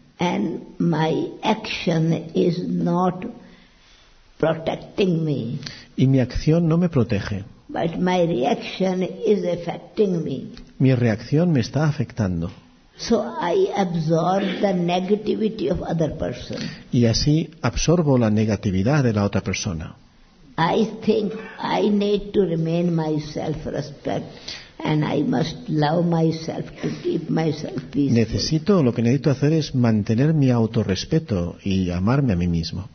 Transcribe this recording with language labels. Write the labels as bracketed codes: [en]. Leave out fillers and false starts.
[en] And my action is not protecting me. [es] Y mi acción no me protege. [en] But my reaction is affecting me. [es] Mi reacción me está afectando. [en] So I absorb the negativity of other person. [es] Y así absorbo la negatividad de la otra persona. [en] I think I need to remain myself respect and I must love myself to keep myself peaceful. [es] Necesito, lo que necesito hacer es mantener mi autorrespeto y amarme a mí mismo.